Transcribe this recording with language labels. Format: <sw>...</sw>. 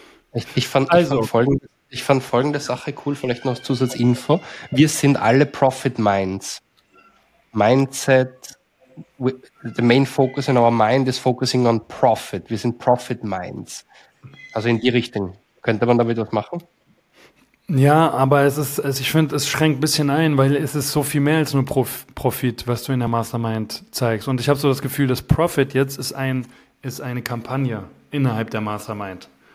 <de>Ich fand folgende Sache cool, vielleicht noch als Zusatzinfo. Wir sind alle Profit Minds.</de> <en>Mindset, the main focus in our mind is focusing on profit.</en> <de>Wir sind Profit Minds. Also in die Richtung. Könnte man damit was machen? Ja, aber ich finde, es schränkt ein bisschen ein, weil es ist so viel mehr als nur Profit, was du in der Mastermind zeigst. Und ich habe so das Gefühl, dass Profit jetzt ist eine Kampagne innerhalb der Mastermind.</de>